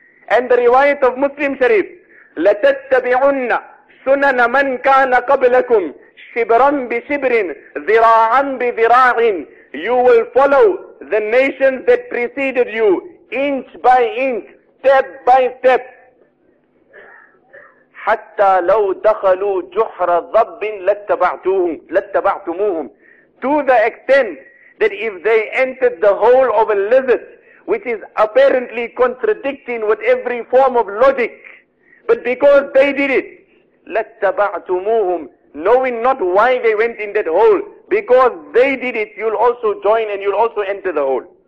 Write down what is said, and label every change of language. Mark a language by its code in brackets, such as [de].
[en] And the riwayat of Muslim Sharif, [ar] لَتَتَّبِعُنَّ سُنَنَ مَنْ كَانَ قَبْلَكُمْ شِبْرًا بِشِبْرٍ ذِرَاعًا بِذِرَاعٍ. [en] You will follow the nations that preceded you, inch by inch, step by step. [ar] حتى لو دخلوا جحر ضب لاتبعتموهم. [en] To the extent that if they entered the hole of a lizard, which is apparently contradicting with every form of logic, but because they did it, لاتبعتموهم, knowing not why they went in that hole, because they did it, you'll also join and you'll also enter the hole.